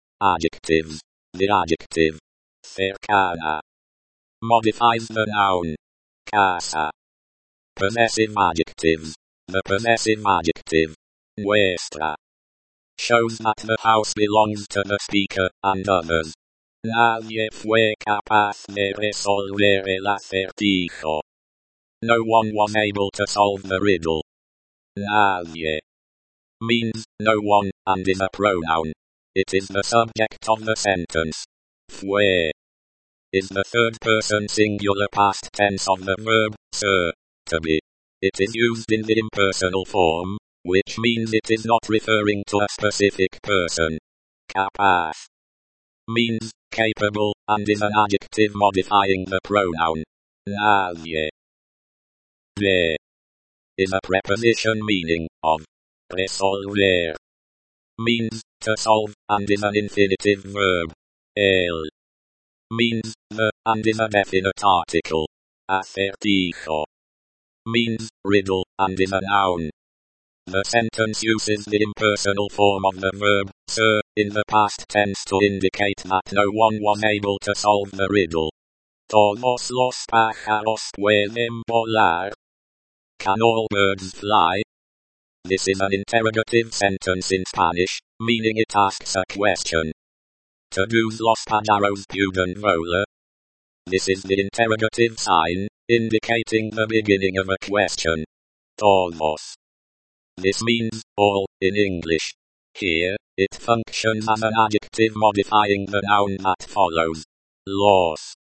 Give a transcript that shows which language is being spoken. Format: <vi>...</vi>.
<en>Adjectives. The adjective, cercana. Modifies the noun, casa. Possessive adjectives. The possessive adjective, nuestra. Shows that the house belongs to the speaker, and others.</en> <es>Nadie fue capaz de resolver el acertijo.</es> <en>No one was able to solve the riddle. Nadie means no one, and is a pronoun. It is the subject of the sentence. Fue is the third person singular past tense of the verb ser, to be. It is used in the impersonal form, which means it is not referring to a specific person. Capaz means capable, and is an adjective modifying the pronoun. Nadie. De is a preposition meaning of. Resolver means to solve, and is an infinitive verb. El means the, and is a definite article. Acertijo means riddle, and is a noun. The sentence uses the impersonal form of the verb ser in the past tense to indicate that no one was able to solve the riddle.</en> <es>Todos los pájaros pueden volar.</es> <en>Can all birds fly? This is an interrogative sentence in Spanish, meaning it asks a question.</en> <es>Todos los pájaros pueden volar.</es> <en>This is the interrogative sign, indicating the beginning of a question. Todos. This means, all, in English. Here, it functions as an adjective modifying the noun that follows. Los.</en>